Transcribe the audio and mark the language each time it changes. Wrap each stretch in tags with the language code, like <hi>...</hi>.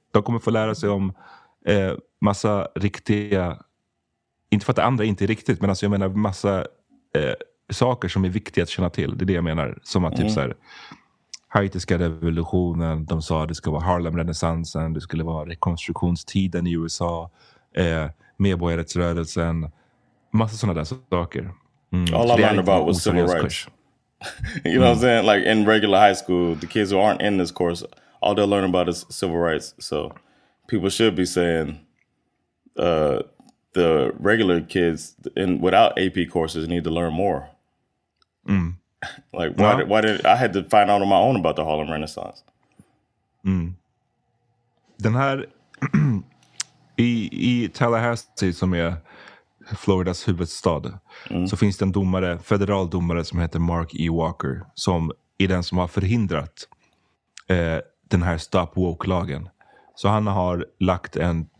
<sv>De kommer få lära sig om massa riktiga, inte för att det andra inte är riktigt, men alltså jag menar massa saker som är viktiga att känna till. Det är det jag menar. Som att typ så här, haitiska revolutionen, de sa att det ska vara Harlem-renässansen, det skulle vara rekonstruktionstiden i USA, medborgarrättsrörelsen, massa sådana där saker.</sv> <en>All I learned about was civil rights. You know what I'm saying? Like in regular high school, the kids who aren't in this course, all they'll learn about is civil rights. So people should be saying the regular kids without AP courses need to learn more. Like why did I had to find out on my own about the Harlem Renaissance?</en> <sv>Den här I Tallahassee, som är Floridas huvudstad, så finns det en domare, federal domare, som heter Mark E. Walker, som är den som har förhindrat den här Stop Woke-lagen. Så han har lagt en</sv>